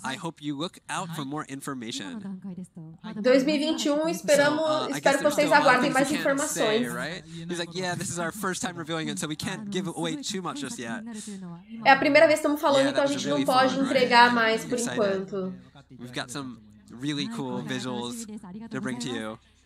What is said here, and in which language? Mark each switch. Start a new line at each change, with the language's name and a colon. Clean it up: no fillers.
English: I hope you look out for more information.
Portuguese: 2021, espero que vocês aguardem mais informações.
English: Say, right? He's like, yeah, this is our first time revealing it, so we can't give away too much just yet.
Portuguese: É a primeira vez que estamos falando, então a gente não pode entregar mais por enquanto.
English: We've got some really cool visuals to bring to you.